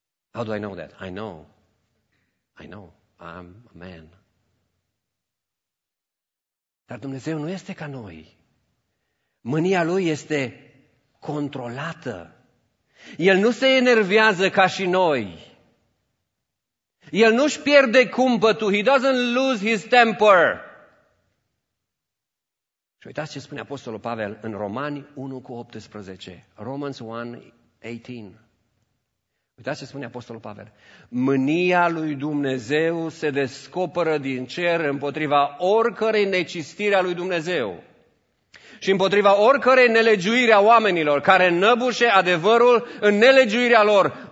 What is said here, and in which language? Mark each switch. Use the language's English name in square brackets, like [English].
[English] How do I know that? I know. I know. I'm a man. [Romanian] Dar Dumnezeu nu este ca noi. Mânia Lui este controlată. El nu se enervează ca și noi. El nu-și pierde cumpătul. [English] He doesn't lose his temper. [Romanian] Și uitați ce spune Apostolul Pavel în Romani 1:18. Romans 1:18. Uitați ce spune Apostolul Pavel. Mânia lui Dumnezeu se descoperă din cer împotriva oricărei necistiri a lui Dumnezeu și împotriva oricărei nelegiuiri a oamenilor care năbușe adevărul în nelegiuirea lor.